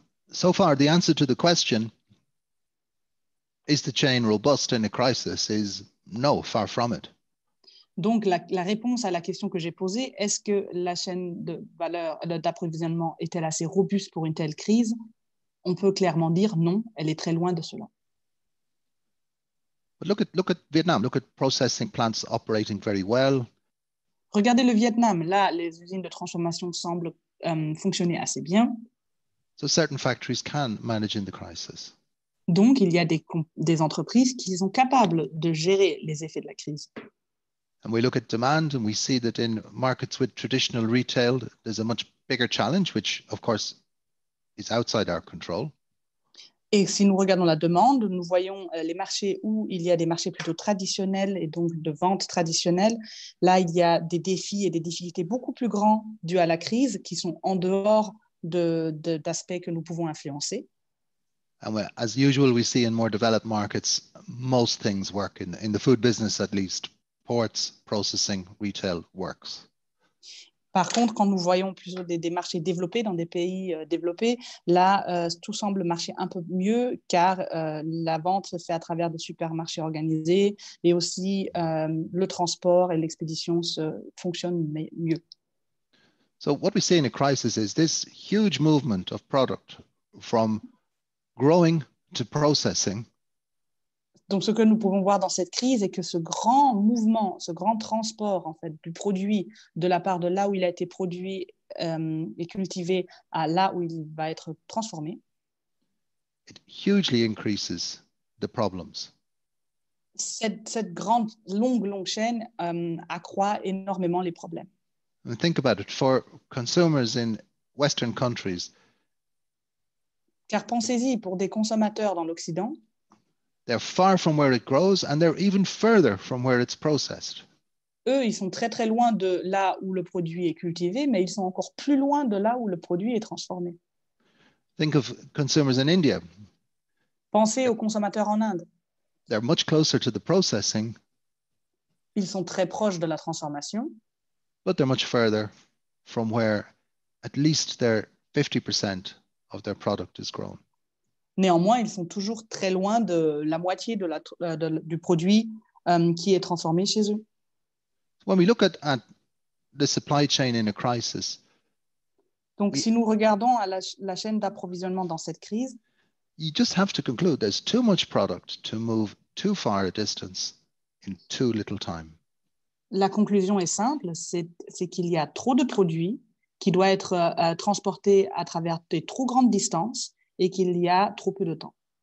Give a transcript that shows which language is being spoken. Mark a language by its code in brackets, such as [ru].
[en] So far, the answer to the question, is the chain robust in a crisis, is no, far from it. [fr] Donc, la réponse à la question que j'ai posée, est-ce que la chaîne de valeur d'approvisionnement est-elle assez robuste pour une telle crise? On peut clairement dire non, elle est très loin de cela. [en] But look at Vietnam, look at processing plants operating very well. [fr] Regardez le Vietnam, là, les usines de transformation semblent fonctionner assez bien. [en] So certain factories can manage in the crisis. [fr] Donc, il y a des entreprises qui sont capables de gérer les effets de la crise. [en] And we look at demand and we see that in markets with traditional retail, there's a much bigger challenge, which of course is outside our control. [fr] Et si nous regardons la demande, nous voyons les marchés où il y a des marchés plutôt traditionnels et donc de vente traditionnelle. Là, il y a des défis et des difficultés beaucoup plus grands dus à la crise qui sont en dehors d'aspects que nous pouvons influencer. [en] And as usual, we see in more developed markets, most things work in the food business, at least ports, processing, retail works. [fr] Par contre, quand nous voyons plutôt des marchés développés dans des pays développés, là, tout semble marcher un peu mieux car la vente se fait à travers des supermarchés organisés et aussi le transport et l'expédition fonctionnent mieux. [en] So what we see in a crisis is this huge movement of product from growing to processing [fr] Donc, ce que nous pouvons voir dans cette crise est que ce grand mouvement, ce grand transport en fait, du produit de la part de là où il a été produit et cultivé à là où il va être transformé, [en] it hugely increases the problems. [fr] Cette grande, longue chaîne accroît énormément les problèmes. [en] And think about it, for consumers in Western countries, [fr] car pensez-y, pour des consommateurs dans l'Occident, [en] they're far from where it grows and they're even further from where it's processed. [fr] Eux, ils sont très très loin de là où le produit est cultivé, mais ils sont encore plus loin de là où le produit est transformé. [en] Think of consumers in India. [fr] Pensez aux consommateurs en Inde. [en] They're much closer to the processing. [fr] Ils sont très proches de la transformation. [en] But they're much further from where at least their 50% of their product is grown. [fr] Néanmoins, ils sont toujours très loin de la moitié de la, du produit qui est transformé chez eux. [en] When we look at the supply chain in a crisis, [fr] si nous regardons à la chaîne d'approvisionnement dans cette crise, [en] you just have to conclude there's too much product to move too far a distance in too little time. [fr] La conclusion est simple, c'est qu'il y a trop de produits qui doivent être transportés à travers des trop grandes distances et qu'il y a trop peu de temps.